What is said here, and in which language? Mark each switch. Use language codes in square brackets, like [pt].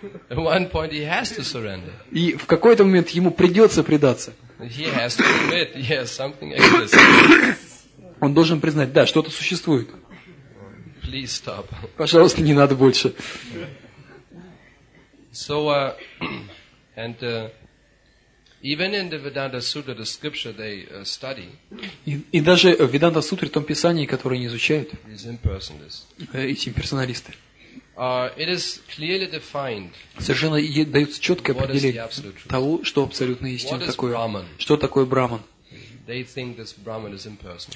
[en] At one point he has to surrender. [ru] И в какой-то момент ему придется предаться. [en] He has to admit, yes, something exists. [ru] Он должен признать, да, что-то существует. [en] Please stop. [ru] Пожалуйста, не надо больше. [en] So, even in the Vedanta Sutra, the scripture they study. [ru] И даже в Веданта Сутре, в том писании, которое они изучают, эти имперсоналисты. [en] It is clearly defined. [ru] Совершенно дается четкое определение того, что абсолютная истина такое. Что такое Брахман? [en] They think this Brahman is impersonal.